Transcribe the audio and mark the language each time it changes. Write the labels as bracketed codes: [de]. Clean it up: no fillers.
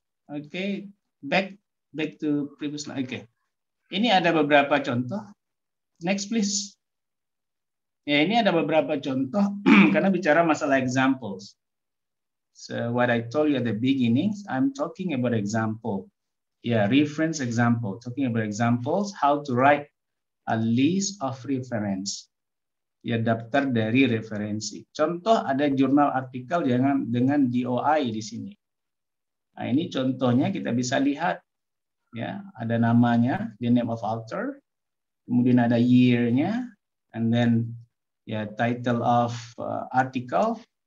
[en] Okay, back to previous slide. Okay, [id] ini ada beberapa contoh. [en] Next please. [id] Ya, ini ada beberapa contoh karena bicara masalah examples. [en] So what I told you at the beginning, I'm talking about example. Yeah, reference example. Talking about examples, how to write a list of reference. [id] Ya, daftar dari referensi. Contoh ada jurnal artikel dengan DOI di sini. Nah, ini contohnya kita bisa lihat. Ya, ada namanya, [en] the name of author. [id] Kemudian ada year-nya, [en] and then ya title of article.